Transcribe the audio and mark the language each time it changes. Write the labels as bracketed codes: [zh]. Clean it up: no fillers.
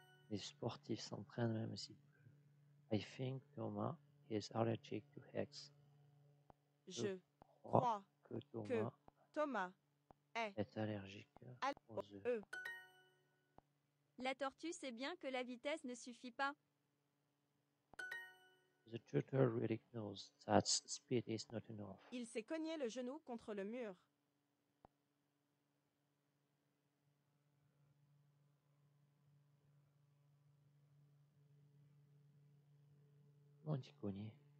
[fr] Les sportifs s'entraînent même s'il pleut. [en] I think Thomas is allergic to hex. [fr] Je crois que Thomas est allergique aux œufs. La tortue sait bien que la vitesse ne suffit pas. [en] The turtle really knows that speed is not enough. [fr] Il s'est cogné le genou contre le mur. Comment tu cognes?